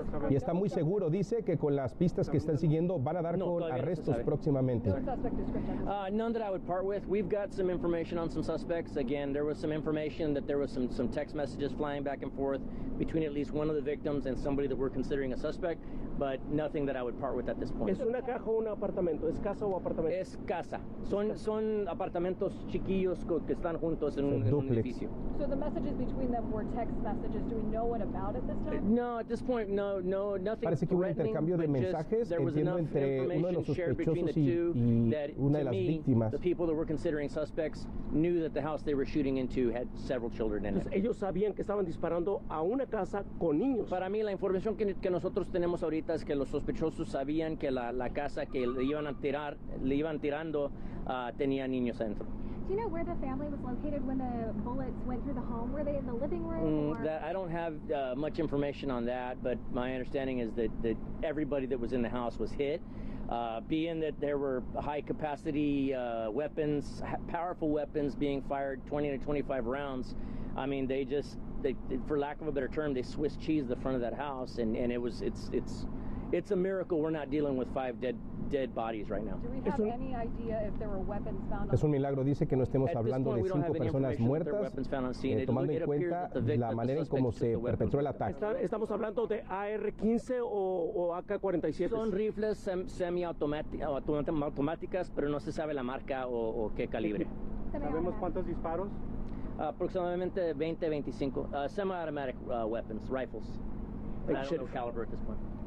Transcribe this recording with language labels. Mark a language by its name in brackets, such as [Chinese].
[Spanish] Y está muy seguro, dice, que con las pistas que están siguiendo van a dar con arrestos próximamente. [English] None that I would part with. We've got some information on some suspects. Again, there was some information that there was some text messages flying back and forth between at least one of the victims and somebody that we're considering a suspect, but nothing that I would part with at this point. [Spanish] ¿Es una caja o un apartamento? ¿Es casa o apartamento? Es casa. Son apartamentos chiquillos que están juntos en un edificio. [English] So the messages between them were text messages. Do we know what about at this time? No, at this point, no, nothing. [Spanish] Parece que hubo intercambio de mensajes, entiendo, entre uno de los sospechosos y una de las víctimas. [English] The people that were considering suspects knew that the house they were shooting into had several children in it. [Spanish] Ellos sabían que estaban disparando a una casa con niños. Para mí, la información que nosotros tenemos ahorita es que los sospechosos sabían que la casa que le iban tirando tenía niños dentro. [English] Do you know where the family was located when the bullets went through the home? Were they in the living room? I don't have much information on that, but my understanding is that everybody that was in the house was hit. Being that there were high capacity weapons, powerful weapons being fired, 20 to 25 rounds, I mean, they, for lack of a better term, they Swiss cheese the front of that house, and it was, it's a miracle we're not dealing with 5 dead bodies right now. Do we have any idea if there were weapons found on [Spanish] Es un milagro, dice, que no estemos hablando de 5 personas muertas, tomando en cuenta la manera en cómo se perpetró el ataque. Estamos hablando de AR-15 o AK-47. Son rifles semiautomáticas, pero no se sabe la marca o qué calibre. ¿Sabemos cuántos disparos? Aproximadamente [English] 20, 25 semi-automatic weapons, rifles. I don't know caliber at this point.